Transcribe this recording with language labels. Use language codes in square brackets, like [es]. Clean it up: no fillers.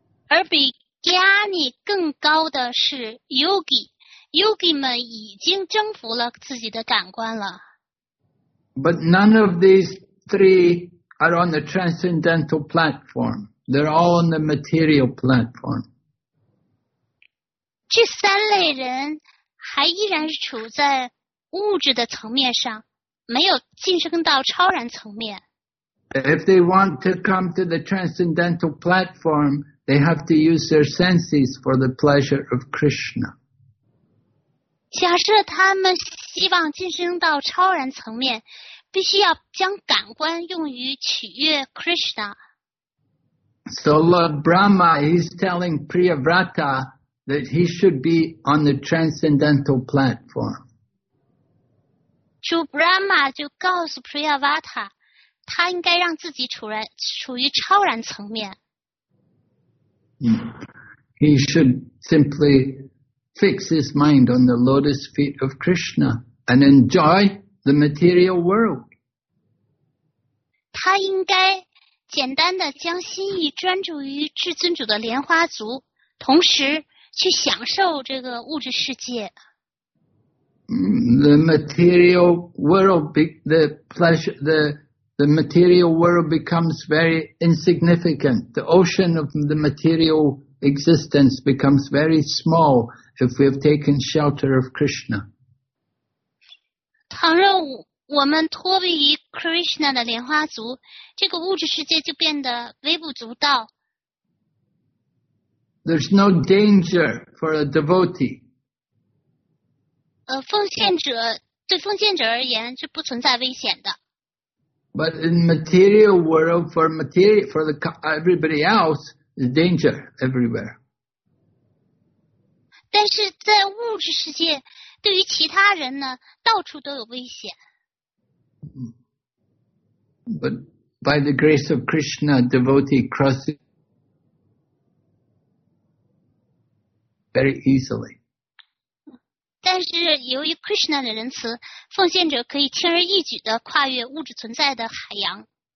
[zh] 而比Gyani 更高的是 Yogi. Yogi 们已经征服了自己的感官了。 [en] But none of these three are on the transcendental platform. They're all on the material platform. [zh] 这三类人还依然是处在物质的层面上，没有晋升到超然层面。 [en] If they want to come to the transcendental platform,They have to use their senses for the pleasure of Krishna. [zh] 假设他们希望晋升到超然层面，必须要将感官用于取悦 Krishna. [en] So Lord Brahma is telling Priyavrata that he should be on the transcendental platform. [zh] 主 Brahma 就告诉 Priyavrata, 他应该让自己处于超然层面。 [en] He should simply fix his mind on the lotus feet of Krishna and enjoy the material world. [zh] 他应该简单的将心意专注于至尊主的莲花足，同时去享受这个物质世界。 [en] The material world, the material world becomes very insignificant. The ocean of the material existence becomes very small if we have taken shelter of Krishna. [zh] 倘若我们脱离于 Krishna 的莲花足，这个物质世界就变得微不足道。 [en] There's no danger for a devotee. [zh] 奉献者对奉献者而言是不存在危险的。 [en] But in material world, everybody else, is danger everywhere. [zh] 但是在物质世界，对于其他人呢，到处都有危险。 [en] But by the grace of Krishna, devotee crosses very easily. [zh] 但是由于 Krishna 的仁慈，奉献者可以轻而易举地跨越物质存在的海洋。